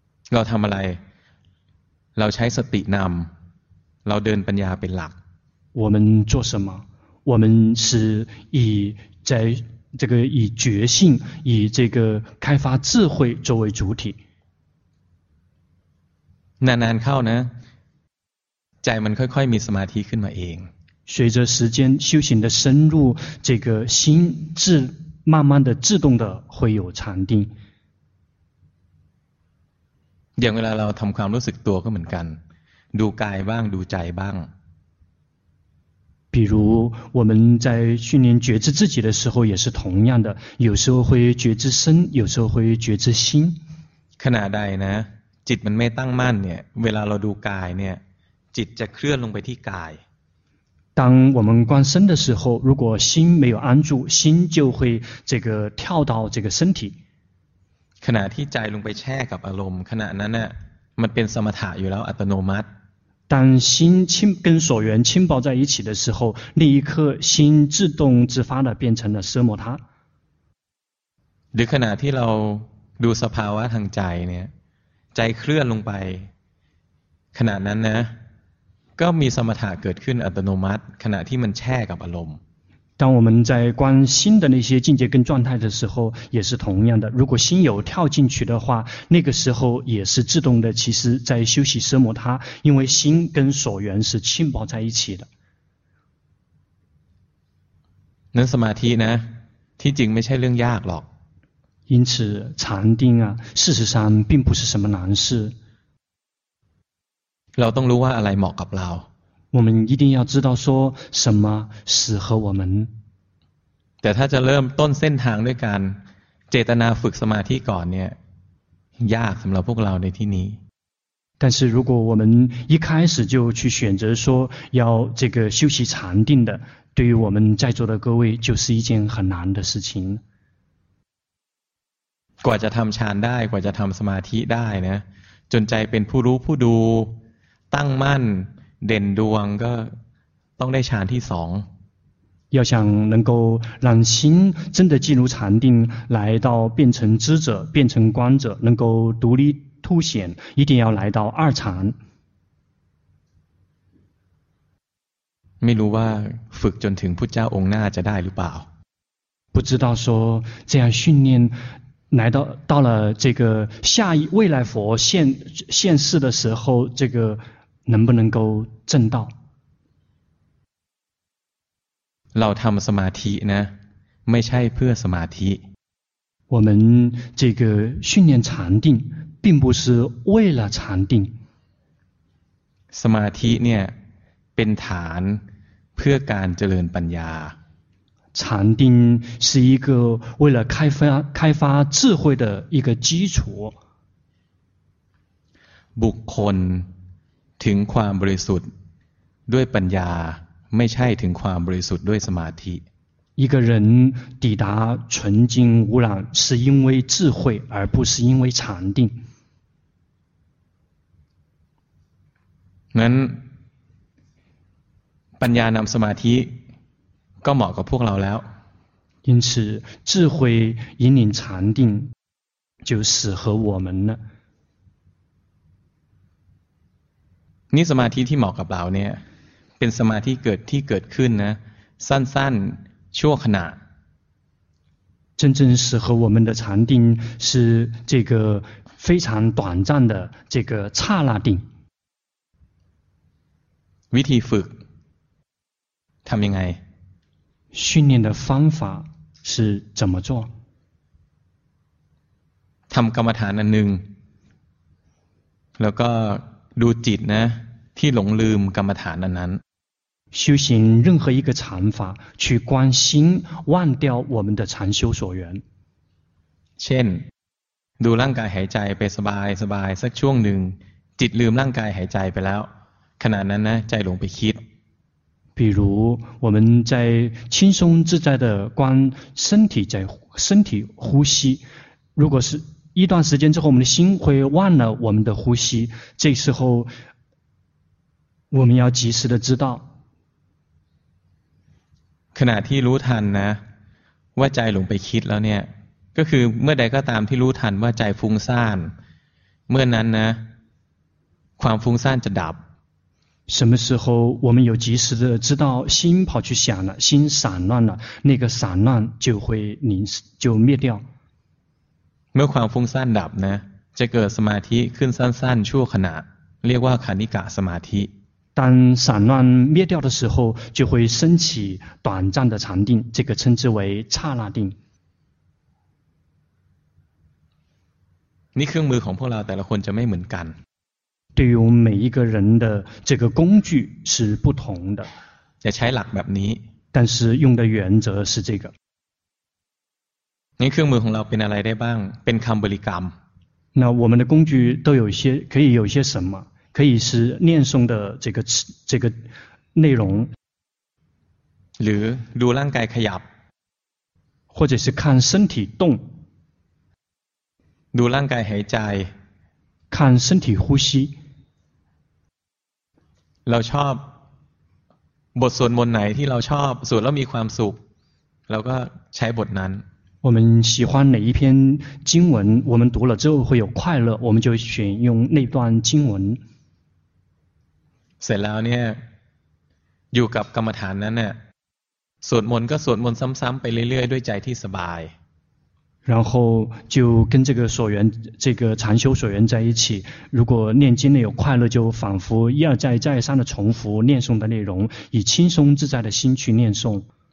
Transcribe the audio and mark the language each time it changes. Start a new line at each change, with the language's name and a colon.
Thai: เราทำอะไรเราใช้สตินำเราเดินปัญญาเป็นหลัก
Chinese: 我们做什么我们是以在这个以觉性以这个开发智慧作为主体
Thai: นานๆเข้านะใจมันค่อยๆมีสมาธิขึ้นมาเอง
Chinese: 随着时间修行的深入这个心自慢慢的自动的会有禅定
Thai: อย่างเวลาเราทำความรู้สึกตัวก็เหมือนกันดูกายบ้างดูใจบ้าง
Chinese: 比如我们在训练觉知自己的时候也是同样的有时候会觉知身有时候会觉知心
Thai: ขณะใดนะจิตมันไม่ตั้งมั่นเนี่ยเวลาเราดูกายเนี่ยจิตจะเคลื่อนลงไปที่กาย
Chinese: 当我们观身的时候如果心没有安住心就会这个跳到这个身体
Thai: ขณะที่ใจลงไปแช่กับอารมณ์ขณะนั้นน่ะมันเป็นสมถะอยู่แล้วอัตโนมัติ
Chinese: 当心亲跟所缘亲抱在一起的时候那一刻心自动自发的变成了奢摩他
Thai: หรือขณะที่เราดูสภาวะทางใจเนี่ยใจเคลื่อนลงไปขณะนั้นนะก็มีสมถะเกิดขึ้นอัตโนมัติขณะที่มันแช่กับอารมณ์
Chinese: 当我们在观心的那些境界跟状态的时候也是同样的如果心有跳进去的话那个时候也是自动的其实在休息奢摩他因为心跟所缘是浸泡在一起的
Thai: 那สมาธิ呢ที่จริงไม่ใช่เรื่องยากหรอก
Chinese: 因此禅定啊事实上并不是什么难事
Thai: เราต้องรู้ว่าอะไรเหมาะกับเรา
Chinese: 我们一定要知道说什么适合我们
Thai: แต่ถ้าจะเริ่มต้นเส้นทางด้วยการเจตนาฝึกสมาธิก่อนเนี่ยยากสำหรับพวกเราในที่นี้
Chinese: 但是如果我们一开始就去选择说要这个修习禅定的对于我们在座的各位就是一件很难的事情
Thai: กว่าจะทำฌานได้กว่าจะทำสมาธิได้นะจนใจเป็นผู้รู้ผู้ดูตั้งมั่นเด่นดวงก็ต้องได้ฌานที่สอง
Chinese: 要想能够让心真的进入禅定来到变成知者变成观者能够独立凸显一定要来到二禅
Thai: ไม่รู้ว่าฝึกจนถึงพุทธเจ้าองค์หน้าจะได้หรือเปล่า
Chinese: 不知道说这样训练来到到了这个下一未来佛现世的时候这个能不能够证道
Thai: เราทำสมาธินะไม่ใช่เพื่อสมาธิ
Chinese: 我们这个训练禅定并不是为了禅定
Thai: สมาธิเนี่ยเป็นฐานเพื่อการเจริญปัญญา
Chinese: 禅定是一个为了开发智慧的一个基础
Thai: บุคคลถึงความบริสุทธิ์ด้วยปัญญาไม่ใช่ถึงความบริสุทธิ์ด้วยสมาธิ
Chinese: 一个人抵达纯净无染是因为智慧而不是因为禅定
Thai: นั้นปัญญานำสมาธิก็เหมาะกับพวกเราแล้ว
Chinese: 因此智慧引领禅定就适合我们了
Thai: นี่สมาธิที่เหมาะกับเราเนี่ยเป็นสมาธิเกิดขึ้นนะสั้นๆชั่วขณะ
Chinese: 真正适合我们的禅定是这个非常短暂的这个刹那定
Thai: วิธีฝึกทำยังไง
Chinese: 训练的方法是怎么做
Thai: ทำกรรมฐานอันหนึ่งแล้วก็ดูจิตนะที่หลงลืมกรรมฐานนั้น
Chinese: 修行任何一个禅法去观心忘掉我们的禅修所缘
Thai: เช่นดูร่างกายหายใจไปสบายสบายสักช่วงหนึ่งจิตลืมร่างกายหายใจไปแล้วขณะนั้นนะใจหลงไปคิด
Chinese: 比如我们在轻松自在的观身体呼吸如果是一段时间之后我们的心会忘了我们的呼吸这时候我们要及时的知道
Thai: ขณะที่รู้ทันนะว่าใจหลงไปคิดแล้วเนี่ยก็คือเมื่อใดก็ตามที่รู้ทันว่าใจฟุ้งซ่านเมื่อนั้นนะความฟุ้งซ่านจะดับ
Chinese: 什么时候我们有及时的知道心跑去想了心散乱了那个散乱就灭掉
Thai: เมื่อความฟุ้งซ่านดับนะจะเกิดสมาธิขึ้นสั้นๆชั่วขณะเรียกว่าขณิกะสมาธิ
Chinese: 当散乱灭掉的时候就会升起短暂的禅定这个称之为刹那定
Thai: นี่เครื่องมือของพวกเราแต่ละคนจะไม่เหมือนกัน
Chinese: 对于每一个人的这个工具是不同的
Thai: จะใช้หลักแบบนี้
Chinese: 但是用的原则是这个
Thai: นี่เครื่องมือของเราเป็นอะไรได้บ้างเป็นคำบริกรรม
Chinese: 那我们的工具都有些可以有些什么可以是念诵的这个内容
Thai: หรือดูร่างกายขยับ
Chinese: 或者是看身体动
Thai: ดูร่างกายหายใจ
Chinese: 看身体呼吸
Thai: เราชอบบทสวดมนต์ไหนที่เราชอบสวดแล้วมีความสุขเราก็ใช้บทนั้น
Chinese: 我们喜欢哪一篇经文我们读了之后会有快乐我们就选用那段经文
Thai: เสร็จแล้วเนี่ยอยู่กับกรรมฐานนั้นเนี่ยสวดมนต์ก็สวดมนต์ซ้ำๆไปเรื่อยๆด้วยใจที่สบาย
Chinese: 然后就跟这个所缘这个禅修所缘在一起如果念经内有快乐就仿佛一而再再三的重复念诵的内容以轻松自在的心去念诵